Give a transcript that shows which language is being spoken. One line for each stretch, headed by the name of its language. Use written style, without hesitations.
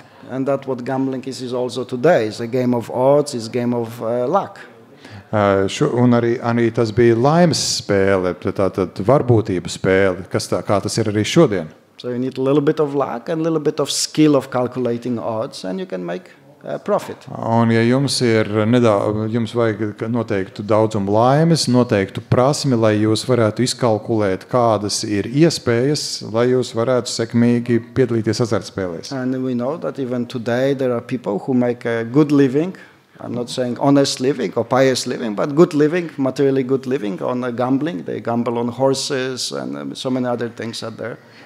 English: And that what gambling is also today is a game of odds, is a game of luck.
Latvian: Un arī tas bija laimes spēle, tātad varbūtības spēle, kas tā, kā tas ir arī šodien.
English: So you need a little bit of luck and a little bit of skill of calculating odds and you can make profit.
Latvian: Un ja jums ir jums vajag noteiktu daudzumu laimes, noteiktu prasmi, lai jūs varētu izkalkulēt, kādas ir iespējas, lai jūs varētu sekmīgi piedalīties azartspēlēs.
English: And we know that even today there are people who make a good living, I'm not saying honest living or pious living, but good living, materially good living on a gambling, they gamble on horses and so many other things out there.